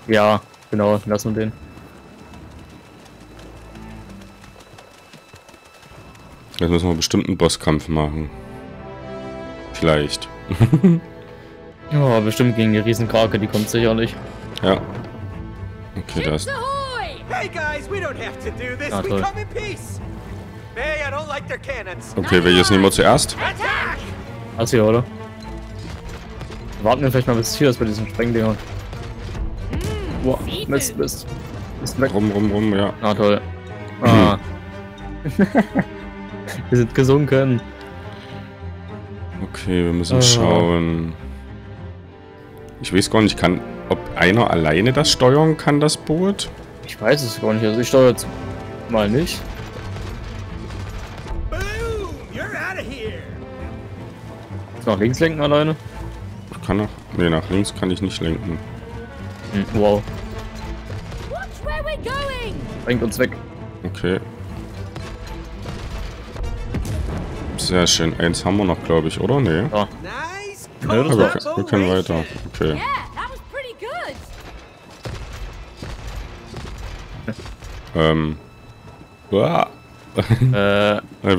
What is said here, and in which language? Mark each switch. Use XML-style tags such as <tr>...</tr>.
<de>Ja, genau, lass uns den. Jetzt müssen wir bestimmt einen Bosskampf machen. Vielleicht. Ja, oh, bestimmt gegen die Riesenkrake, die kommt sicherlich. Ja. Okay, das.</de> <en>Hey guys, we don't have to do this. We come in peace. May, I don't like their cannons.</en> <de>Okay, welches nehmen wir zuerst? Also hier, oder? Warten wir vielleicht mal bis hier ist bei diesen Sprengdingern. Boah, Mist. Ist weg. Rum, ja. Ah, toll. Ah. Wir sind gesunken. Okay, wir müssen schauen. Ich weiß gar nicht, ob einer alleine das steuern kann, das Boot? Ich weiß es gar nicht, also ich steuere es mal nicht.</de> <en>Boom, you're out of here.</en> <de>Noch links lenken alleine? Nach links kann ich nicht lenken.</de> <en>Wow. Watch where we're going.</en> <de>Bringt uns weg. Okay. Sehr schön. Eins haben wir noch, glaube ich, oder? Nee. Ja. Nice. Aber wir können weiter. Okay.</de> <en>Yeah, that was pretty good.</en>